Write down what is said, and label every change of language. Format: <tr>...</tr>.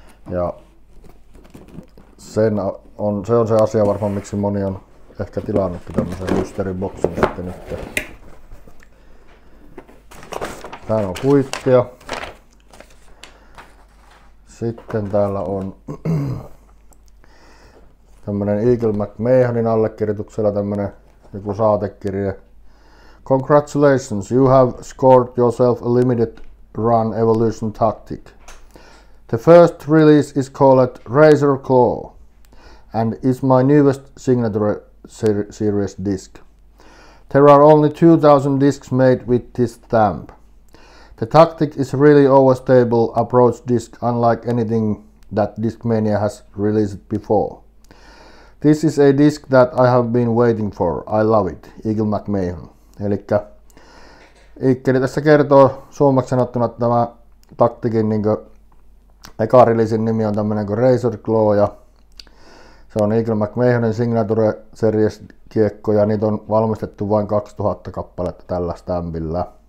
<fi>Ja se on se asia varmaan, miksi moni on ehkä tilannut tämmöisen mysteeriboksin sitten nyt. Täällä on kuittia. Sitten täällä on tämmönen Eagle McMahonin allekirjoituksella tämmönen joku saatekirje.</fi> <en>Congratulations, you have scored yourself a limited run evolution tactic. The first release is called Razor Claw and is my newest signature series disc. There are only 2000 discs made with this stamp. The tactic is really overstable approach disc unlike anything that Discmania has released before. This is a disc that I have been waiting for. I love it. Eagle McMahon.</en> <fi>Elikkä Ikkeli tässä kertoo suomeksi sanottuna, että tämä taktikin niin eka releasin nimi on tämmönen kuin Razor Claw, ja se on Eagle McMahonin signature series kiekko, ja niitä on valmistettu vain 2000 kappaletta tällä stämpillä.</fi>